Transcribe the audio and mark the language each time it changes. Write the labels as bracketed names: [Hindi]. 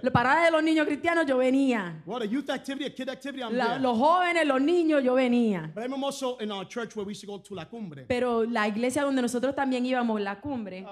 [Spanish] La parada de los niños cristianos, yo venía. [English] What a youth activity, a kid activity, I'm [Spanish] there. Los jóvenes, los niños, yo venía. [English] But I'm also in our church where we used to go to La Cumbre. [Spanish] Pero la iglesia donde nosotros también íbamos, La Cumbre.